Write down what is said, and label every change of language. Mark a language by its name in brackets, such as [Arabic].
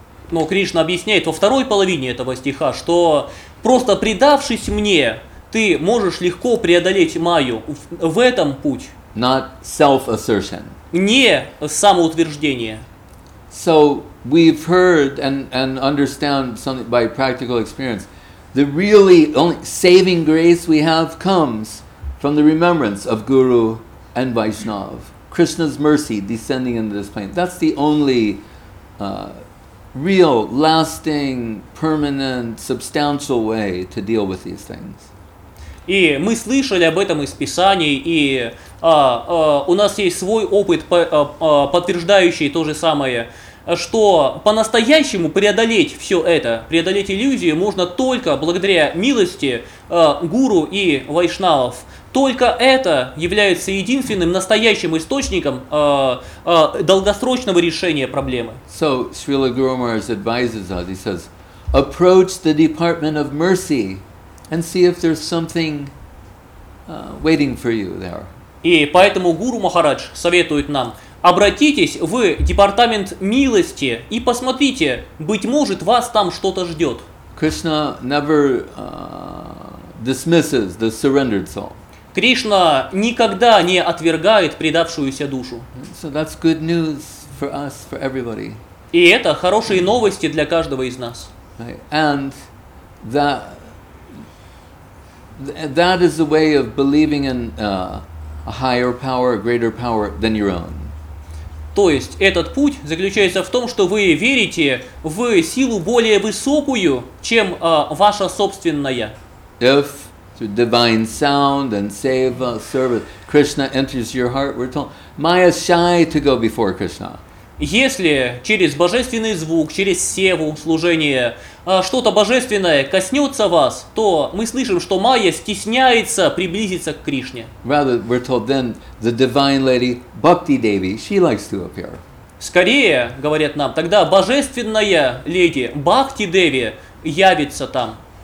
[Russian] Но Кришна объясняет во второй половине этого стиха, что просто предавшись мне, ты можешь легко преодолеть Майю в этом путь. [English] Not self-assertion. [Russian] Не самоутверждение. [English] So we've heard and understand something by practical experience. The really only saving grace we have comes from the remembrance of Guru and Vaishnav. Krishna's mercy descending into this plane. That's the only real, lasting, permanent, substantial way to deal with these things. [Russian] И мы слышали об этом из Писаний, и у нас есть свой опыт, подтверждающий то же самое. Что по-настоящему преодолеть все это, преодолеть иллюзии можно только благодаря милости гуру и вайшнавов. Только это является единственным настоящим источником долгосрочного решения проблемы. [English] So, Srila Guru Maharaj advises us, he says, approach the Department of Mercy and see if there's something waiting for you there. [Russian] И поэтому Гуру Махарадж советует нам, обратитесь в департамент милости и посмотрите, быть может, вас там что-то ждет. [English] Krishna never dismisses the surrendered soul. [Russian] Кришна никогда не отвергает предавшуюся душу. [English] So that's good news for us, for everybody. [Russian] И это хорошие новости для каждого из нас. [English] Right. And that is a way of believing in a higher power, a greater power than your own. [Russian] То есть этот путь заключается в том, что вы верите в силу более высокую, чем ваша собственная. [English] If through divine sound and seva service Krishna enters your heart, we're told Maya is shy to go before Krishna. [Russian] Если через божественный звук, через севу служение что-то божественное коснется вас, то мы слышим, что Майя стесняется приблизиться к Кришне. [English] Rather, we're told then the divine lady Bhakti Devi, she likes to appear. [Russian] Скорее, говорят нам, тогда божественная леди Бхакти Деви явится там.